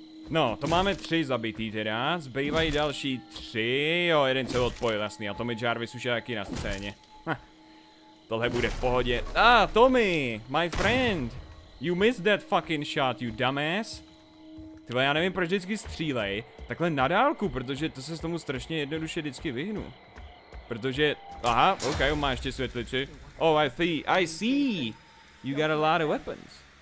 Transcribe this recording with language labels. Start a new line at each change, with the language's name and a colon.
Czech: No, to máme tři zabitý teda, zbývají další tři, jo, jeden se odpojil, jasný, a Tommy Jarvis už je taky na scéně. Tohle bude v pohodě.
English: Tommy, my friend, you missed that fucking shot, you dumbass.
Czech: Tyhle, já nevím, proč vždycky střílej, takhle na dálku, protože to se s tomu strašně jednoduše vždycky vyhnu. Protože, aha, ok, on má ještě světlici.
English: I see, you got a lot of weapons.